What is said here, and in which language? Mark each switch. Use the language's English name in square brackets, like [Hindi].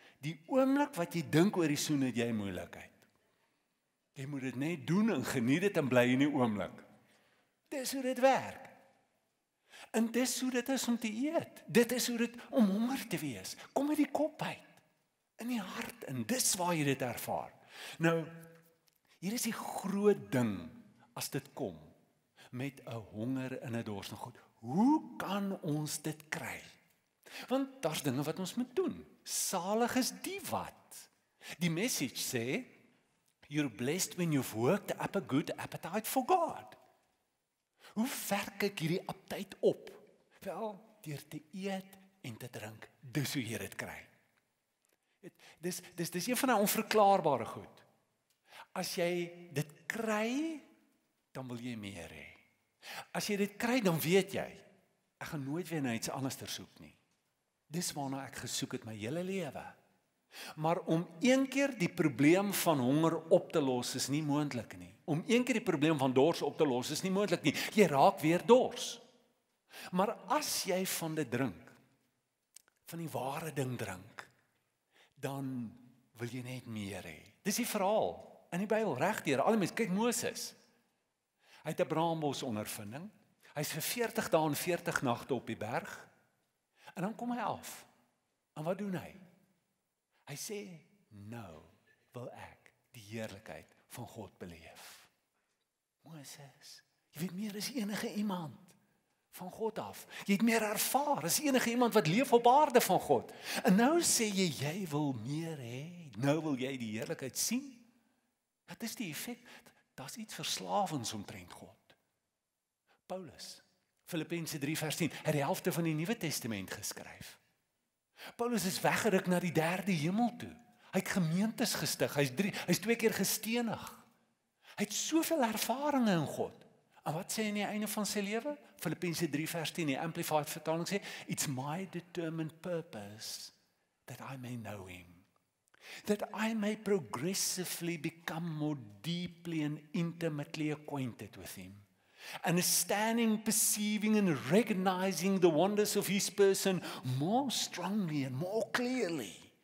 [Afrikaans] Die oomblik wat jy dink oor die soen, het jy moeilikheid. Jy moet dit net doen en geniet dit en bly in die oomblik. Dis hoe dit werk. En dis hoe dit is om te eet. Dit is hoe dit om honger te wees. Kom met die kop uit, in die hart, en dis waar jy dit ervaar. Nou, hier is die groot ding, as dit kom, met een honger en een dors na God, hoe kan ons dit kry? Want daar is dinge wat ons moet doen, salig is die wat, die message sê, [English] you're blessed when you've worked up a good appetite for God, [Afrikaans] hoe werk ek hierdie appetite op? Wel, deur te eet en te drink, dis hoe jy dit kry, dis een van die onverklaarbare goed, as jy dit kry, dan wil jy meer hê. As jy dit kry, dan weet jy, ek gaan nooit weer na iets anders soek nie. Dis waarna ek gesoek het my hele lewe. Maar om een keer die probleem van honger op te los, is nie moontlik nie. Om een keer die probleem van dors op te los, is nie moontlik nie. Jy raak weer dors. Maar as jy van dit drink, van die ware ding drink, dan wil jy net meer hê. Dis die verhaal, in die Bybel, regdeur, al die mense, kyk Moses, Hy het 'n braambos ondervinding. Hy is vir 40 dae en 40 nagte op die berg. En dan kom hy af. En wat doen hy? Hy sê, nou wil ek die heerlikheid van God beleef. Moses, jy weet meer as enige iemand van God af. Jy het meer ervaar as enige iemand wat leef op aarde van God. En nou sê jy, jy wil meer hê. Nou wil jy die heerlikheid sien. Wat is die effek? Dat is iets verslavends omtrent God. Paulus, Filippense 3 vers 10, het die helfte van die Nieuwe Testament geskryf. Paulus is weggeruk na die derde hemel toe. Hy het gemeentes gestig, hy is 2 keer gestenig. Hy het soveel ervaringe in God. En wat sê hy in die einde van sy leven? Filippense 3 vers 10, die Amplified vertaling sê, [English] it's my determined purpose that I may know him. That I may progressively become more deeply and intimately acquainted with him. Understanding, perceiving and recognizing the wonders of his person more strongly and more clearly.